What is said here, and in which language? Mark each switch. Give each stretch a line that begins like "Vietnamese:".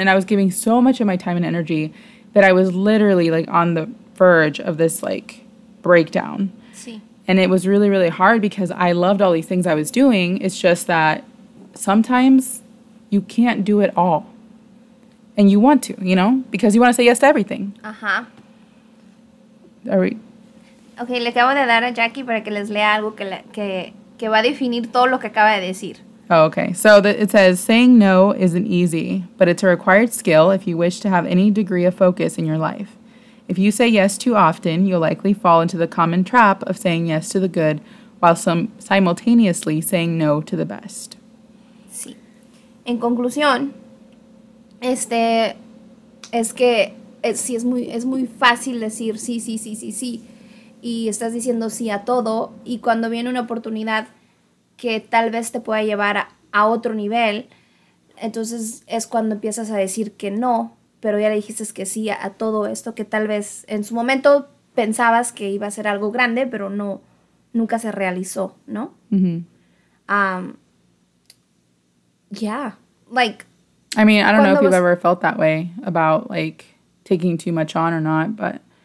English: And I was giving so much of my time and energy that I was literally like on the verge of this like breakdown. And it was really, really hard because I loved all these things I was doing. It's just that sometimes you can't do it all. And you want to, you know, because you want to say yes to everything. Uh-huh. Are we?
Spanish: Okay, le acabo de dar a Jackie para que les lea algo que va a definir todo lo que acaba de decir.
English: Oh, okay. So it says, saying no isn't easy, but it's a required skill if you wish to have any degree of focus in your life. If you say yes too often, you'll likely fall into the common trap of saying yes to the good while simultaneously saying no to the best.
Spanish: Sí. En conclusión, es que es muy fácil decir sí, sí, sí, sí, sí. Y estás diciendo sí a todo. Y cuando viene una oportunidad que tal vez te pueda llevar a otro nivel, entonces es cuando empiezas a decir que no. Pero ya le dijiste que sí a todo esto, que tal vez en su momento pensabas que iba a ser algo grande, pero no, nunca se realizó, ¿no? Mm-hmm.
English: Yeah, like... I mean, I don't know if you've ever felt that way about, like, taking too much on or not, but...